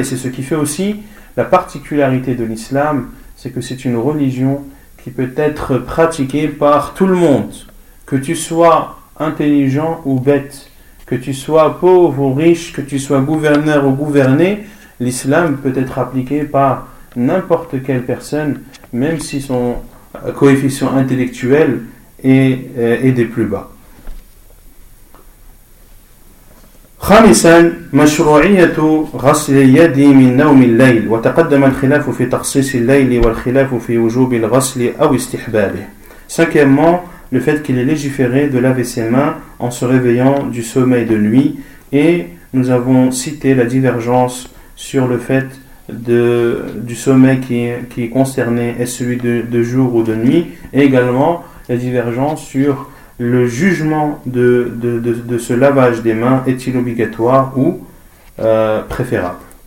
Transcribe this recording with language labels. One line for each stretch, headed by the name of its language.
French: Et c'est ce qui fait aussi la particularité de l'islam, c'est que c'est une religion qui peut être pratiquée par tout le monde, que tu sois intelligent ou bête, que tu sois pauvre ou riche, que tu sois gouverneur ou gouverné, l'islam peut être appliqué par n'importe quelle personne, même si son coefficient intellectuel est des plus bas.
Arabic: خامسا مشروعية غسل اليد من نوم الليل وتقدم الخلاف في تخصيص الليل والخلاف في وجوب الغسل أو استحبابه.
French: Cinquièmement, le fait qu'il est légiféré de laver ses mains en se réveillant du sommeil de nuit, et nous avons cité la divergence sur le fait du sommeil qui est concerné, est celui de jour ou de nuit, et également la divergence sur le jugement de ce lavage des mains, est-il obligatoire ou préférable.